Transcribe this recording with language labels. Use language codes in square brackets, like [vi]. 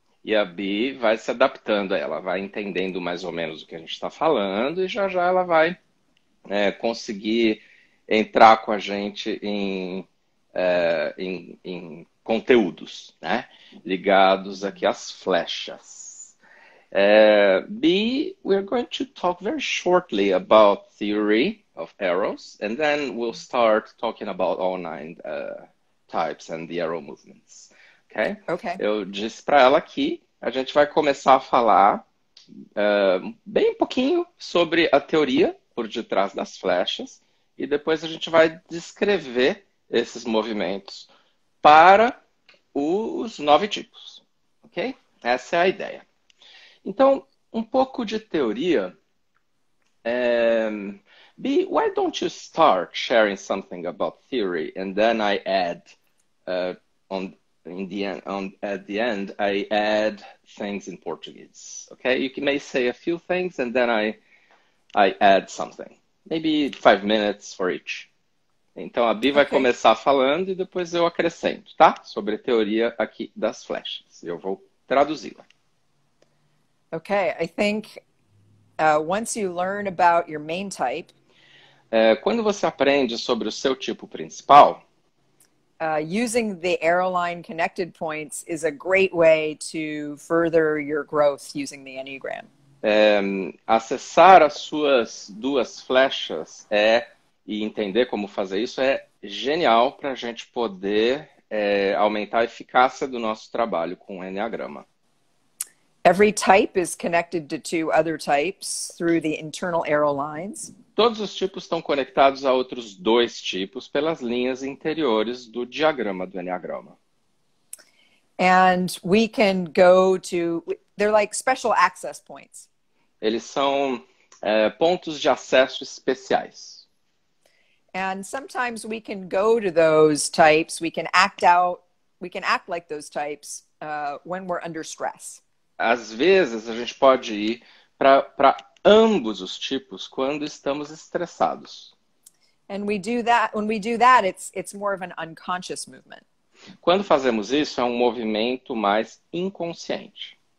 [pt] E a Bi vai se adaptando a ela, vai entendendo mais ou menos o que a gente está falando e já já ela vai conseguir entrar com a gente em conteúdos, né? Ligados aqui às flechas. [en] Bi, we're going to talk very shortly about theory of arrows and then we'll start talking about all nine types and the arrow movements, ok? Okay. [pt] Eu disse para ela que a gente vai começar a falar bem um pouquinho sobre a teoria por detrás das flechas e depois a gente vai descrever esses movimentos para os nove tipos, ok? Essa é a ideia. Então, um pouco de teoria. [en] Bi, why don't you start sharing something about theory and then I add on. At the end, I add things in Portuguese. Okay, you may say a few things, and then I add something. Maybe 5 minutes for each. [pt] Então a Bi vai [en] Okay. [pt] começar falando e depois eu acrescento, tá? Sobre a teoria aqui das flechas. Eu vou traduzi-la. [en] Okay, I think once you learn about your main type, [pt] Quando você aprende sobre o seu tipo principal. [en] using the arrow line connected points is a great way to further your growth using the Enneagram. [pt] Acessar as suas duas flechas e entender como fazer isso é genial para a gente poder aumentar a eficácia do nosso trabalho com o Eneagrama. [en] Every type is connected to two other types through the internal arrow lines. [pt] Todos os tipos estão conectados a outros dois tipos pelas linhas interiores do diagrama do Eneagrama. [en] And we can go to, they're like special access points. [pt] Eles são pontos de acesso especiais. [en] And sometimes we can go to those types, we can act out, we can act like those types, when we're under stress. [pt] Às vezes a gente pode ir para ambos os tipos quando estamos estressados. [en] And we do that, when we do that, it's more of an unconscious movement. [pt] Quando fazemos isso, é um movimento mais inconsciente.